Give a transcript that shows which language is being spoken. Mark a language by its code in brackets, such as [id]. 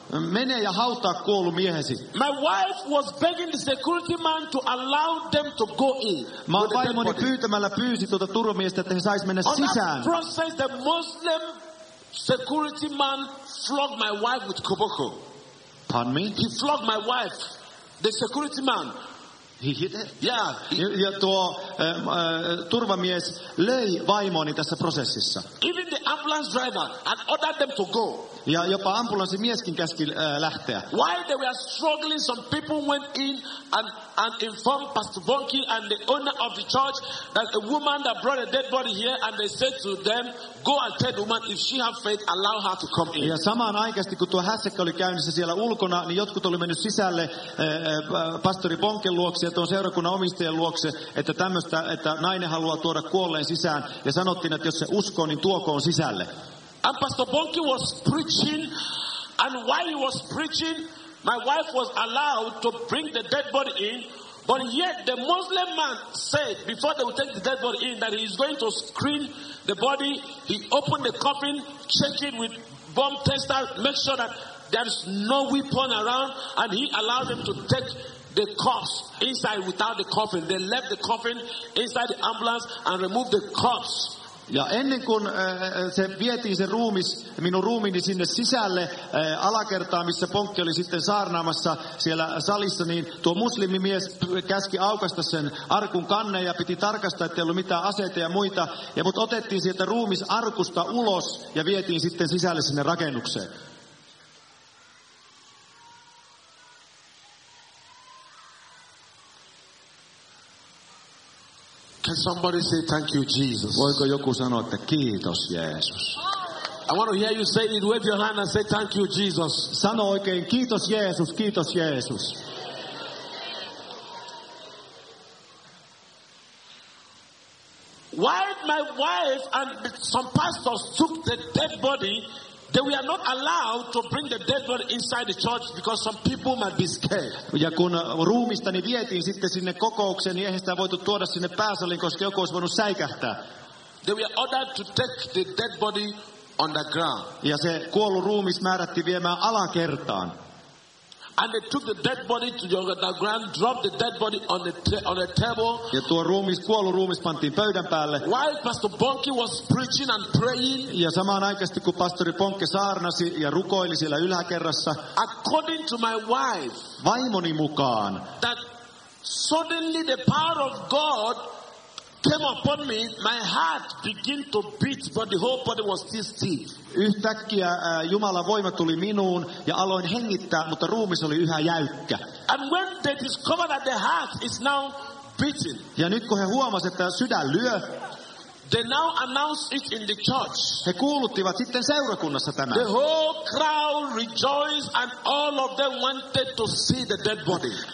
[fi] Mene ja hautaa kuollut miehesi. [en] My wife was begging the security man to allow them to go in. [fi] Mä vaimoni pyytämällä pyysi tuota turvamiestä, että he sais mennä sisään. [en] On that process, the Muslim security man flogged my wife with koboko. Pardon me? He flogged my wife. The security man. He hit her? Yeah. [fi] Ja tuo turvamies löi vaimoni tässä prosessissa. [en] Even the ambulance driver had ordered them to go. [fi] Ja jopa ambulanssimieskin käski lähteä. [en] While they were struggling, some people went in and informed Pastor Bonke and the owner of the church that a woman that brought a dead body here, and they said to them, go and tell the woman if she have faith, allow her to come in. [fi] Ja samaan aikaisesti, kun tuo hässäkkä oli käynnissä siellä ulkona, niin jotkut oli mennyt sisälle pastori Bonken luokse ja tuon seurakunnan omistajan luokse, että tämmöistä, että nainen haluaa tuoda kuolleen sisään, ja sanottiin, että jos se uskoo, niin tuokoon sisälle. [en] And Pastor Bonke was preaching, and while he was preaching, my wife was allowed to bring the dead body in, but yet the Muslim man said, before they would take the dead body in, that he is going to screen the body, he opened the coffin, check it with bomb testers, make sure that there is no weapon around, and he allowed them to take the corpse inside without the coffin. They left the coffin inside the ambulance and removed the corpse. [fi] Ja ennen kuin se vietiin se ruumis, minun ruumiini sinne sisälle alakertaan, missä Bonke oli sitten saarnaamassa siellä salissa, niin tuo muslimimies käski aukasta sen arkun kannen ja piti tarkastaa, ettei ollut mitään aseita ja muita. Ja mut otettiin sieltä ruumis arkusta ulos ja vietiin sitten sisälle sinne rakennukseen. [en] Can somebody say thank you, Jesus? [fi] Voiko joku sanoa, että kiitos, Jeesus? [en] I want to hear you say it. Wave your hand and say thank you, Jesus. [fi] Sano oikein, kiitos, Jeesus, kiitos, Jeesus. [en] While my wife and some pastors took the dead body, they were not allowed to bring the dead body inside the church because some people might be scared. [fi] Ja kun ruumistani vietiin sitten sinne kokoukseen, niin eihän sitä voitu tuoda sinne pääsaliin, koska joku olisi voinut säikähtää. [en] They were ordered to take the dead body underground. [fi] Ja se kuollut ruumis määrättiin viemään alakertaan. [en] And they took the dead body to the underground, dropped the dead body on the table. [fi] Ja tuo ruumis, kuollut ruumis pantiin pöydän päälle. [en] While Pastor Bonke was preaching and praying. [fi] Ja samaan aikaisesti kun pastori Bonke saarnasi ja rukoili siellä yläkerrassa. [en] According to my wife. [fi] Vaimoni mukaan. [en] That suddenly the power of God came upon me, my heart began to beat, but the whole body was still stiff. [fi] Yhtäkkiä Jumalan voima tuli minuun ja aloin hengittää, mutta ruumis oli yhä jäykkä. [en] And when they discovered that the heart is now beating, [fi] ja nyt kun he huomasivat, että sydän lyö, [en] they now announced it in the church. [fi] He kuuluttivat sitten seurakunnassa tämän. [en] The whole crowd rejoiced and all of them wanted to see the dead body.